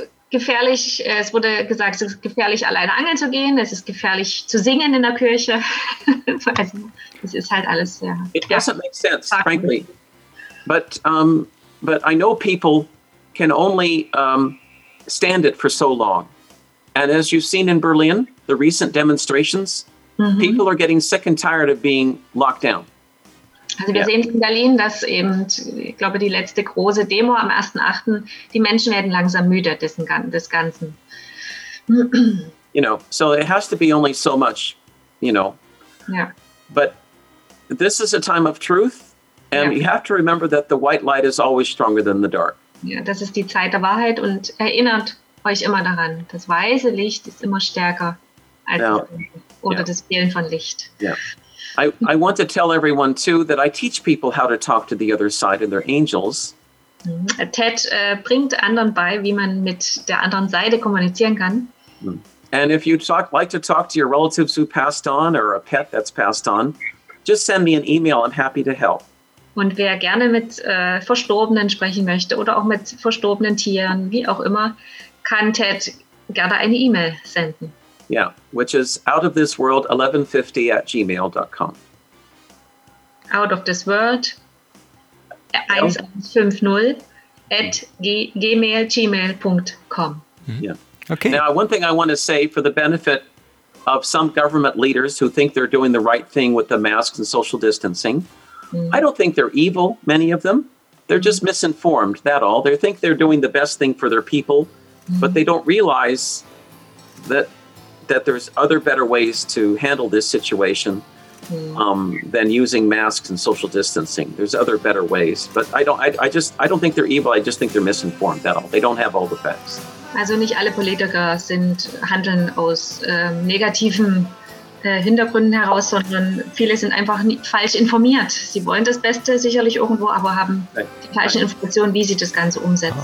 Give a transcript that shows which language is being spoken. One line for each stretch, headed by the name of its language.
German: Gefährlich, es wurde gesagt, es ist gefährlich, alleine angeln zu gehen, es ist gefährlich, zu singen in der Kirche. Also, es ist halt alles sehr...
English: It doesn't make sense, frankly. But I know people can only stand it for so long. And as you've seen in Berlin, the recent demonstrations, people are getting sick and tired of being locked down.
German: Also wir sehen in Berlin, dass eben, ich glaube, die letzte große Demo am 1.8., die Menschen werden langsam müde des Ganzen.
English: You know, so it has to be only so much, you know.
German: Ja.
English: But this is a time of truth and you have to remember that the white light is always stronger than the dark.
German: Ja, das ist die Zeit der Wahrheit und erinnert euch immer daran, das weiße Licht ist immer stärker als das Fehlen von Licht. Ja.
English: I want to tell everyone too that I teach people how to talk to the other side and their angels.
German: Ted bringt anderen bei, wie man mit der anderen Seite kommunizieren kann.
English: And if you'd like to talk to your relatives who passed on or a pet that's passed on, just send me an email. I'm happy to help.
German: Und wer gerne mit Verstorbenen sprechen möchte oder auch mit verstorbenen Tieren, wie auch immer, kann Ted gerne eine E-Mail senden.
English: Yeah, which is outofthisworld1150@gmail.com. Out of this world, 1150@gmail.com. Yeah. Okay. Now, one thing I want to say for the benefit of some government leaders who think they're doing the right thing with the masks and social distancing, I don't think they're evil, many of them. They're just misinformed, that all. They think they're doing the best thing for their people, but they don't realize that there's other better ways to handle this situation than using masks and social distancing. There's other better ways, but I don't think they're evil. I just think they're misinformed. That all. They don't have all the facts.
German: Also nicht alle Politiker handeln aus negativen Hintergründen heraus, sondern viele sind einfach falsch informiert. Sie wollen das Beste sicherlich irgendwo, aber haben die falschen Informationen, wie sie das Ganze umsetzen.